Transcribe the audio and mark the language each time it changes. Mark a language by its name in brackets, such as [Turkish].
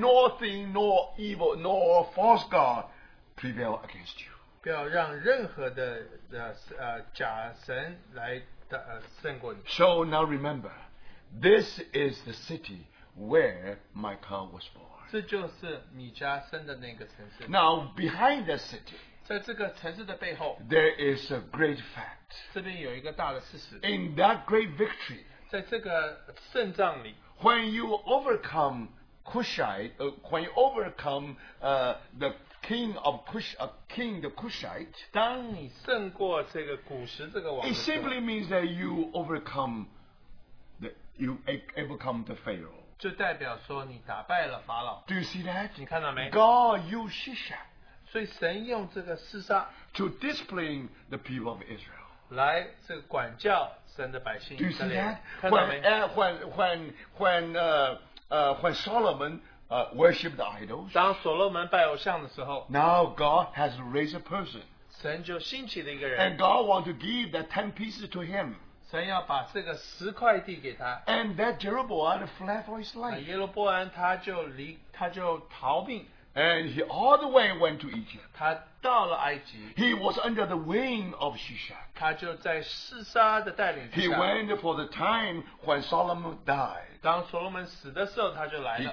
[English] nor thing, nor evil, nor false God prevail against you. [Chinese] 不要让任何的假神来胜过你。 [English] So now remember, this is the city where Micah was born. [Chinese] 这就是米迦生的那个城市。 [English] Now behind the city, [Chinese] 在这个城市的背后, [English] there is a great fact. [Chinese] 这边有一个大的事实。 [English] In that great victory, [Chinese] 在这个胜仗里, [English] when you overcome Cushai, when you overcome the king of Cush, king the Cushite, [Chinese] 当你胜过这个古时这个王的时候, [English] it simply means that you overcome the overcome the Pharaoh. [Chinese] 就代表说你打败了法老. [English] Do you see that? [Chinese] 你看到没? [English] God used Shishak, [Chinese] 所以神用这个示杀, [English] to discipline the people of Israel. [Chinese] 来这个管教神的百姓. [English] Do you see that? When Solomon worshipped the idols, [Chinese] 当所罗门拜偶像的时候, [English] now God has raised a person. [Chinese] 神就兴起了一个人, [English] and God wants to give that 10 pieces to him. [Chinese] 神要把这个十块递给他, [English] and that Jeroboam fled for his life. [Chinese] 耶罗波安他就逃命, [English] and he all the way went to Egypt. [Chinese] 他到了埃及, [English] he was under the wing of Shishak. [Chinese] 他就在示杀的带领之下, [English] he went for the time when Solomon died. [Chinese] 当所罗门死的时候, 他就来了,